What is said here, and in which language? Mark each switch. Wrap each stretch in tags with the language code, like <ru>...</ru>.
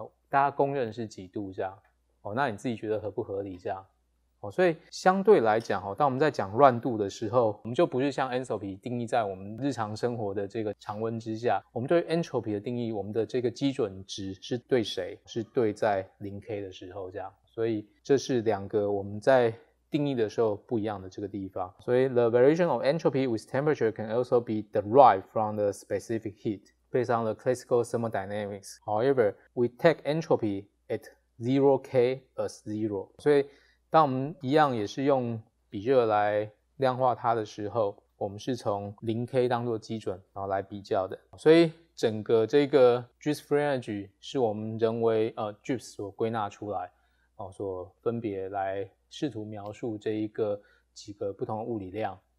<zh>大家公认是几度这样，哦，那你自己觉得合不合理这样，哦，所以相对来讲，哦，当我们在讲乱度的时候，我们就不是像 Enthalpy 定义在我们日常生活的这个常温之下，我们对 Entropy 的定义，我们的这个基准值是对谁，是对在 0K 的时候这样，所以这是两个我们在定义的时候不一样的这个地方。所以</zh> <en>the variation of entropy with temperature can also be derived from the specific heat based on the classical thermodynamics. However, we take entropy at 0K as zero.</en> <zh>所以当我们一样也是用比热来量化它的时候，我们是从 0K 当作基准然后来比较的。所以整个这个 Gibbs free energy 是我们认为Gibbs 所归纳出来，所分别来试图描述这一个几个不同的物理量，</zh>